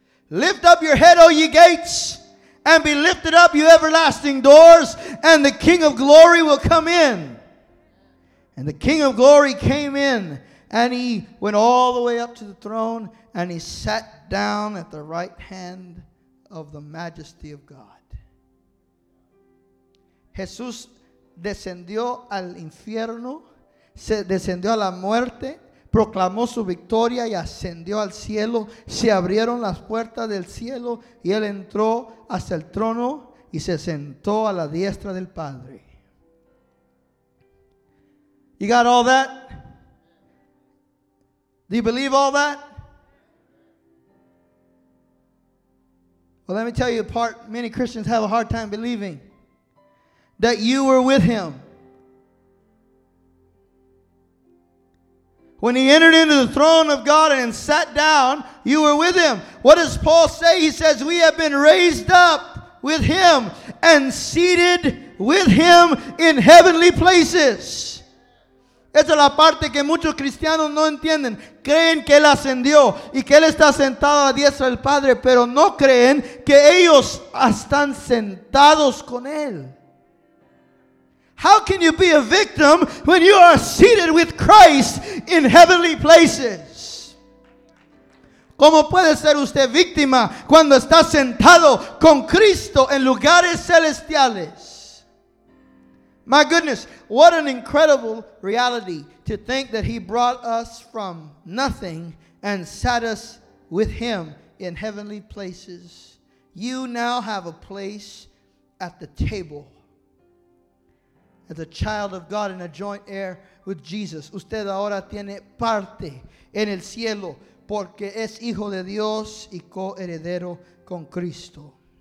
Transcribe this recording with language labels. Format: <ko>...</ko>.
<en>Lift up your head, O ye gates, and be lifted up, you everlasting doors, and the King of glory will come in. And the King of glory came in, and he went all the way up to the throne, and he sat down at the right hand of the majesty of God.</en> <es>Jesús descendió al infierno, se descendió a la muerte, proclamó su victoria y ascendió al cielo. Se abrieron las puertas del cielo y él entró hasta el trono y se sentó a la diestra del Padre.</es> <en>You got all that? Do you believe all that? Well, let me tell you a part many Christians have a hard time believing. That you were with him. When he entered into the throne of God and sat down, you were with him. What does Paul say? He says, we have been raised up with him and seated with him in heavenly places.</en> <es>Esa es la parte que muchos cristianos no entienden. Creen que Él ascendió y que Él está sentado a diestra del Padre, pero no creen que ellos están sentados con Él.</es> <en>How can you be a victim when you are seated with Christ in heavenly places?</en> <es>¿Cómo puede ser usted víctima cuando está sentado con Cristo en lugares celestiales?</es> <en>My goodness, what an incredible reality to think that he brought us from nothing and sat us with him in heavenly places. You now have a place at the table as a child of God and a joint heir with Jesus.</en> <es>Usted ahora tiene parte en el cielo porque es hijo de Dios y coheredero con Cristo.</es>